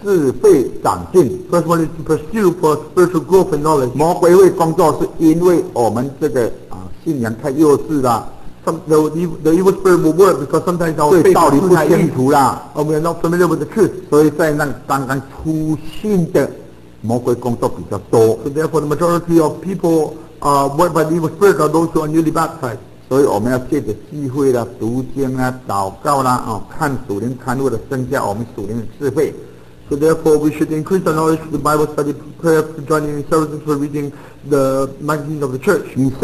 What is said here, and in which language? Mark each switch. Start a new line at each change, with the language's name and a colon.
English: First one is to pursue for spiritual growth and knowledge.
Chinese: 魔鬼会工作是因为我们这个信仰太幼稚了。
English: The evil spirit will work because sometimes our faith
Chinese: 对道理不清楚了。
English: We are not familiar with the truth.
Chinese: 所以在那刚刚出信的魔鬼工作比较多。
English: So therefore the majority of people worked by the evil spirit are those who are newly baptized.
Chinese: 所以我们要借着机会啦、读经啦、祷告啦、看属灵刊物的增加，我们属灵的智慧。
English: So therefore, we should increase our knowledge through the Bible study, prayer, for joining in services for reading the magazines of the church.